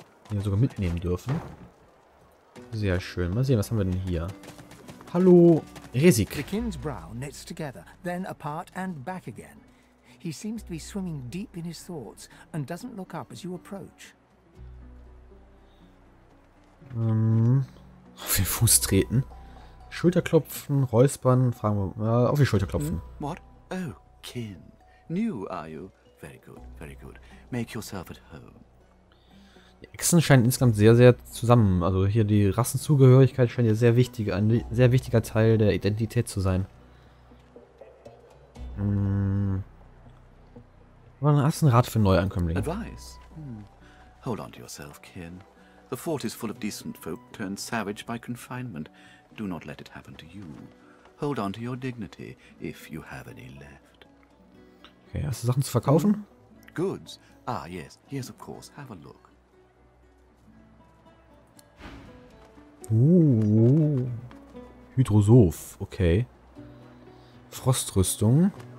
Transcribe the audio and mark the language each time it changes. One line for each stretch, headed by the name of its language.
German: Den wir sogar mitnehmen dürfen. Sehr schön. Mal sehen, was haben wir denn hier? Hallo, Resik.
English: The King's brow knits together, then apart and back again. He seems to be swimming deep in his thoughts and doesn't look up as you approach.
German: Auf den Fuß treten. Schulterklopfen, räuspern, fragen wir mal, auf die Schulterklopfen.
English: What? Oh, kin. New are you? Very good, very good. Make yourself at home.
German: Die Echsen scheinen insgesamt sehr, sehr zusammen. Also hier die Rassenzugehörigkeit scheint ja sehr wichtig, ein sehr wichtiger Teil der Identität zu sein. Wann hast du einen Rat für Neuankömmlinge?
English: Advice? Hold on to yourself, kin. The fort is full of decent folk turned savage by confinement. Do not let it happen to you. Hold on to your dignity, if you have any left.
German: Okay, hast du Sachen zu verkaufen?
English: Goods. Ah, yes. Yes, of course. Have a look.
German: Hydrosoph. Okay. Frostrüstung.